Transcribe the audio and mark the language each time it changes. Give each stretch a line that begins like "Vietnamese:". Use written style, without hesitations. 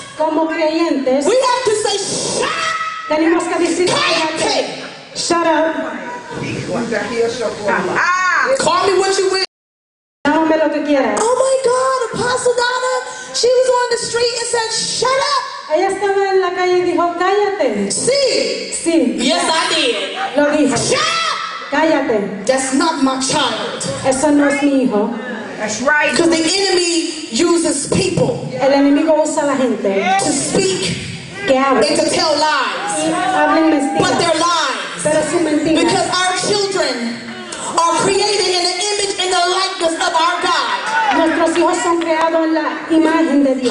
Spanish: como creyentes
English: we have to say shut up.
Spanish: Tenemos que decir cállate.
English: Shut up. Call me what you will.
Spanish: Llámame lo que quieras.
English: Oh my God, Apostle Donna. She was on the street and said, shut up.
Spanish: Ella estaba en la calle y dijo, cállate. Sí. Sí.
English: Yes, I did.
Spanish: Lo dijo.
English: Shut up.
Spanish: Cállate.
English: That's not my child.
Spanish: Eso no es mi hijo.
English: That's right. Because the enemy uses people.
Spanish: El enemigo usa la gente.
English: To speak.
Spanish: Que hable.
English: And to tell lies.
Spanish: Y hablen mentiras.
English: But they're lies.
Spanish: Pero son mentiras.
English: Because our children are created in the image and the likeness of our God.
Spanish: Nuestros hijos son creados en la imagen de Dios.